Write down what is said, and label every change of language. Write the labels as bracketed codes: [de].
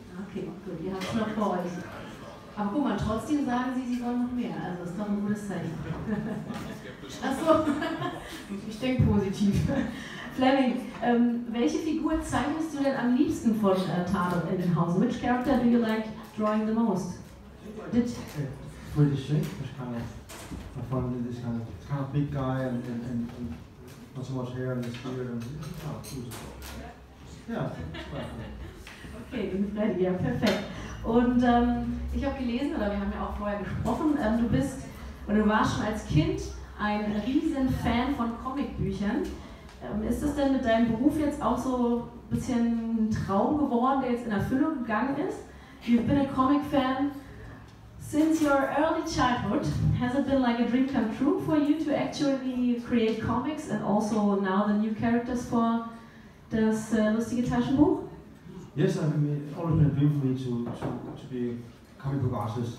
[de] Okay, gut, ihr habt es noch vor euch. Aber guck mal, trotzdem sagen sie, sie wollen noch mehr. Also das ist doch ein gutes Zeichen. Achso, ich denke positiv. Fleming, welche Figur zeichnest du denn am liebsten von Tatort Entenhausen? [en] Which character do you like drawing the most? Detective. Pretty strange, which kind of I find in this kind of big guy and not so much hair and his beard and yeah. [de] Okay, Freddy, ja, perfekt. Und ich habe gelesen, oder wir haben ja auch vorher gesprochen, du warst schon als Kind ein riesen Fan von Comicbüchern. Ist das denn mit deinem Beruf jetzt auch so ein bisschen ein Traum geworden, der jetzt in Erfüllung gegangen ist? [en] You've been a comic fan since your early childhood. Has it been like a dream come true for you to actually create comics and also now the new characters for das lustige Taschenbuch? Yes, I mean, always been a dream for me to be a comic book artist.